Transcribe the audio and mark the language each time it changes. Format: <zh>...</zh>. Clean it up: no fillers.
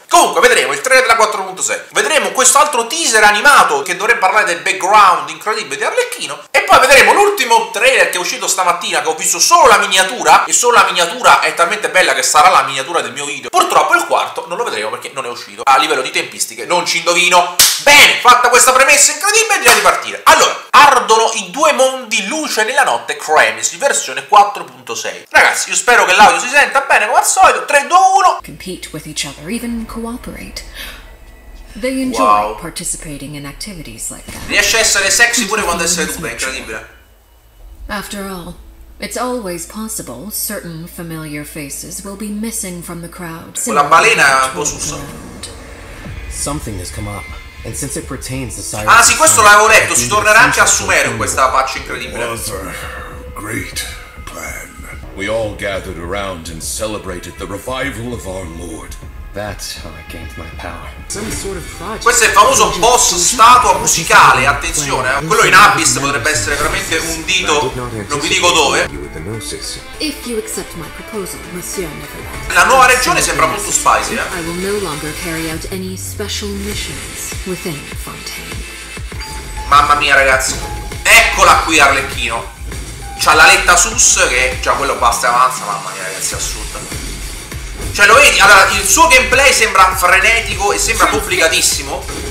<it>Comunque vedremo il trailer della 4.6, vedremo quest'altro teaser animato che dovrebbe parlare del background incredibile di Arlecchino, e poi vedremo l'ultimo trailer che è uscito stamattina, che ho visto solo la miniatura, e solo la miniatura è talmente bella che sarà la miniatura del mio video. Purtroppo il quarto non lo vedremo perché non è uscito. A livello di tempistiche non ci indovino. Bene, fatta questa premessa incredibile, direi di partire. Allora, ardono i due mondi luce nella notte, Kremis, versione 4.6. Ragazzi, io spero che l'audio si senta bene come al solito. 3, 2, 1.</it> <en>Compete with each other, even cooperate. They enjoy participating in activities like that.</en> <it>Riesce a essere sexy pure quando è seduta, incredibile.</it> <en>After all, it's always possible certain familiar faces will be missing from the crowd.</en> <it>Quella balena è un po' sussa.</it> <en>Something has come up, and since it pertains to Cyrus.</en> <it>Ah sì, questo l'avevo letto, si tornerà anche a Sumer in questa patch incredibile.</it> <en>It was a great plan. We all gathered around and celebrated the revival of our lord. That's how I gained my power. Some sort of project.</en> <it>Questo è il famoso boss statua musicale, attenzione, quello in Abyss potrebbe essere veramente un dito, non vi dico dove.</it> <en>If you accept my proposal, Monsieur Nicolas.</en> <it>La nuova regione sembra molto spicy, eh.</it> <en>I will no longer carry out any special missions within Fontaine.</en> <it>Mamma mia, ragazzi. Eccola qui Arlecchino. C'ha la letta sus che già quello basta e avanza, mamma mia, ragazzi, assurdo. Cioè, lo vedi? Allora, il suo gameplay sembra frenetico e sembra complicatissimo.</it>